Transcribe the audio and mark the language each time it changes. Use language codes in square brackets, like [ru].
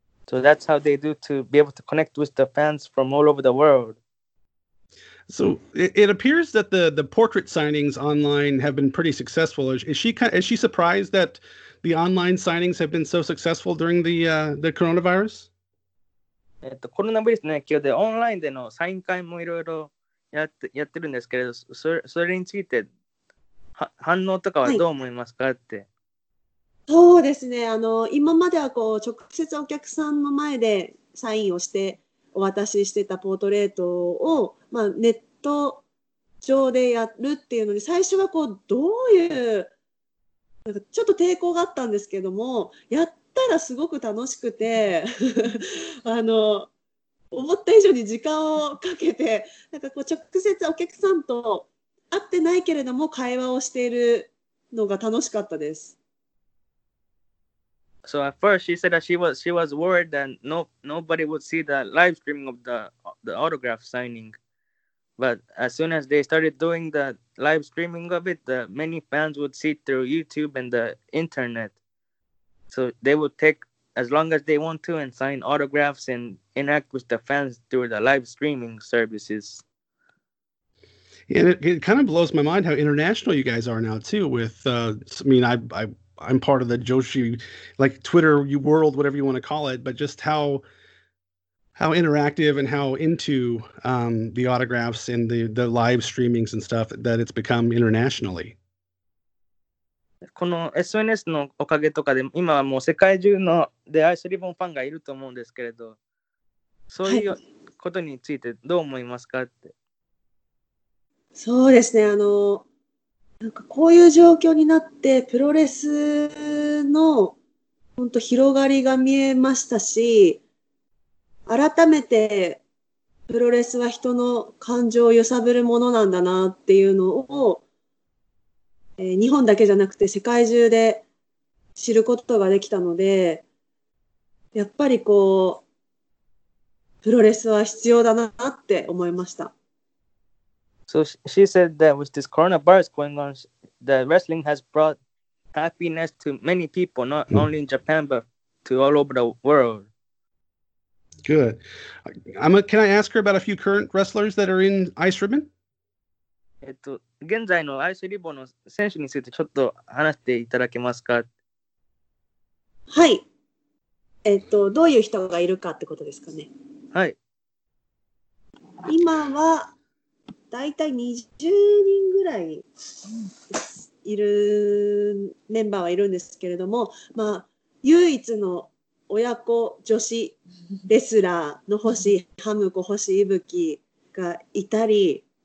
[en] So that's how they do to be able to connect with the fans from all over the world. So it appears that the portrait signings online have been pretty successful. Is she surprised that the online signings have been so successful during the coronavirus? [ja] コロナウイルスの影響でオンラインでのサイン会もいろいろやってるんですけれど、それについて反応とかはどう思いますかって、はい、そうですね、今まではこう直接お客さんの前でサインをしてお渡ししてたポートレートを、まあ、ネット上でやるっていうのに最初はこうどういうなんかちょっと抵抗があったんですけども、やっったらすごく楽しくて思った以上に時間をかけて、なんかこう直接お客さんと会ってないけれども会話をしているのが楽しかったです。 [en] So at first she said that she was worried that nobody would see the live streaming of the autograph signing, but as soon as they started doing the live streaming of it, the many fans would see through YouTube and the internetSo they would take as long as they want to and sign autographs and interact with the fans through the live streaming services. And it kind of blows my mind how international you guys are now too with, I mean, I'm part of the Joshi, like Twitter world, whatever you want to call it, but just how interactive and how into the autographs and the live streamings and stuff that it's become internationally. [ja] この SNS のおかげとかで今はもう世界中のでアイスリボンファンがいると思うんですけれど、そういうことについてどう思いますかって、はい、そうですね、なんかこういう状況になってプロレスの本当広がりが見えましたし、改めてプロレスは人の感情を揺さぶるものなんだなっていうのを日本だけじゃなくて世界中で知ることができたので、やっぱりこうプロレスは必要だなって思いました。 [en] So she said that with this coronavirus going on, the wrestling has brought happiness to many people, not only in Japan, but to all over the world. Good. Can I ask her about a few current wrestlers that are in Ice Ribbon? [ja] 現在のアイスリボンの選手についてちょっと話していただけますか。はい。どういう人がいるかってことですかね。はい。今はだいたい20人ぐらいいるメンバーはいるんですけれども、まあ唯一の親子女子レスラーの星ハムコ星いぶきがいたり。